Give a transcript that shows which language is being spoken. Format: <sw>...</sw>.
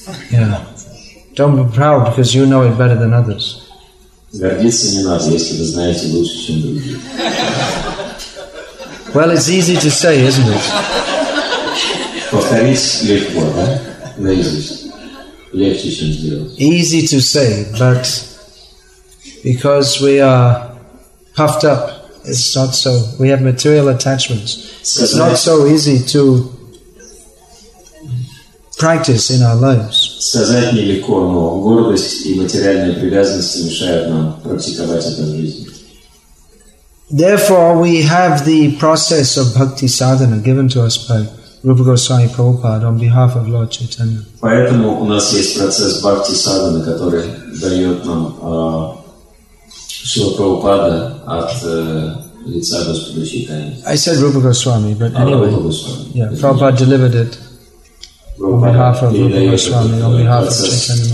<en>Yeah. Don't be proud because you know it better than others.</en> <ru>Гордиться не надо, если вы знаете лучше, чем другие.</ru> <en>Well, it's easy to say, isn't it?</en> <ru>Повторить легко, да? Наизусть. Легче, чем сделать.</ru> <en>Easy to say, but because we are puffed up, it's not so. We have material attachments. It's not so easy to practice in our lives.</en> <ru>Сказать нелегко, но гордость и материальные привязанности мешают нам практиковать это в жизни.</ru> <en>Therefore, we have the process of bhakti sadhana given to us by Rupa Goswami Prabhupada on behalf of Lord Chaitanya.</en> <ru>Поэтому у нас есть процесс бхакти садханы, который дает нам Шрила Прабхупада от лица Господа Чайтаньи.</ru> <en>I said Rupa Goswami, but anyway, yeah, Prabhupada delivered it on behalf of Rupa Goswami, on behalf of Chaitanya</en>